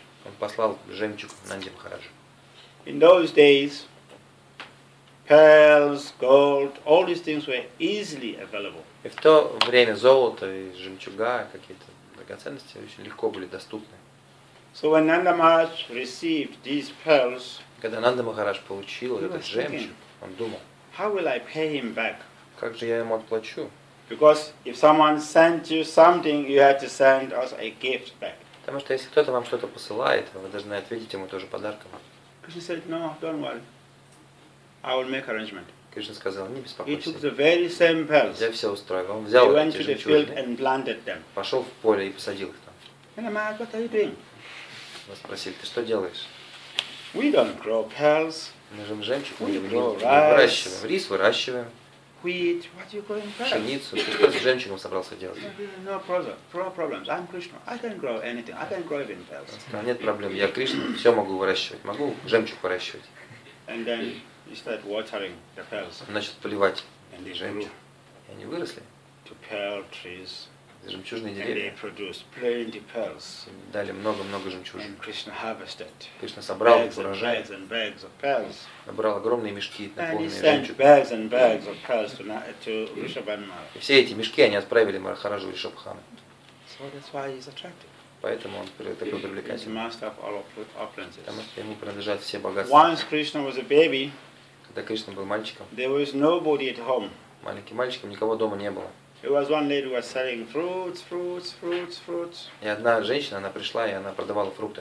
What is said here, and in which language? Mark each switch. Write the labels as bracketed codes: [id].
[ru] Он послал жемчуг Нанде Махараджу. [en] In those days, pearls, gold, all these things were easily available. [ru] И в то время золото и жемчуга, какие-то драгоценности, очень легко были доступны. [en] So when Nanda Maharaj received these pearls, [ru] когда Нанда Махарадж получил этот жемчуг, он думал, [en] how will I pay him back? [ru] Как же я ему отплачу? [en] Because if someone sent you something, you have to send us a gift back. [ru] Потому что если кто-то вам что-то посылает, вы должны ответить ему тоже подарком. [en] Krishna said, no, don't worry. I will make arrangement. [ru] Кришна сказал, не беспокойся. [en] He took the very same pearls. [ru] Я все устроил. Он взял эти жемчужины. Пошел в поле и посадил их там. [en] Nanda Maharaj, what are you doing? [ru] Вас спросили, ты что делаешь? [en] We don't grow pearls. [ru] Мы же жемчуг не выращиваем. Рис выращиваем. [en] Wheat, what are you growing pearls? [ru] Пшеницу. Ты что с жемчугом собрался делать? [en] No problems. I'm Krishna. I can grow anything. I can grow even pearls. [ru] Он сказал, нет проблем. Я Кришна. Все могу выращивать. Могу жемчуг выращивать. [en] And then he started watering the pearls. [ru] Он начал поливать жемчуг. И они выросли. [en] To pearl trees. [ru] Жемчужные деревья. [en] And they produced plenty pearls. [ru] Дали много жемчужин. [en] And Krishna harvested. [ru] Кришна собрал урожай. [en] Bags and bags of pearls. [ru] Набрал огромные мешки, наполненные жемчугами. [en] And he sent bags and bags of pearls to Vrishabhanu Maharaj. [ru] Все эти мешки они отправили Махараджу Вришабхану. [en] So that's why he's attractive. [ru] Поэтому он такой привлекательный. [en] He's master of all opulences. [ru] Потому что ему принадлежат все богатства. [en] Once Krishna was a baby. [ru] Когда Кришна был мальчиком. [en] There was nobody at home. [ru] Маленьким мальчиком никого дома не было. [en] It was one lady who was selling fruits. [ru] И одна женщина, она пришла, и она продавала фрукты.